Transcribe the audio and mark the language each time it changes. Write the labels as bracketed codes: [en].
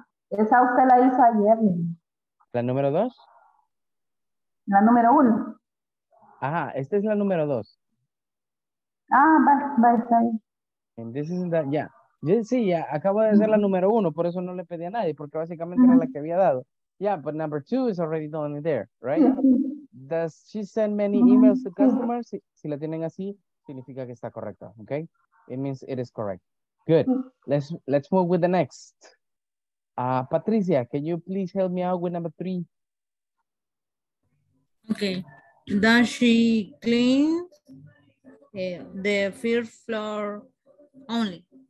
[es] Esa usted la hizo ayer. ¿La número dos? La número uno. Ajá, esta es la número dos. [en] Ah, bye, bye, bye. And this is that, yeah. [es] Sí, ya, acabo de hacer la número uno, por eso no le pedí a nadie, porque básicamente era la que había dado. [en] Yeah, but number two is already done there, right? Does she send many emails to customers? [es] Si la tienen así, significa que está correcta, okay? [en] It means it is correct. Good. Let's move with the next. Patricia, can you please help me out with number three? Okay, does she clean the first floor only?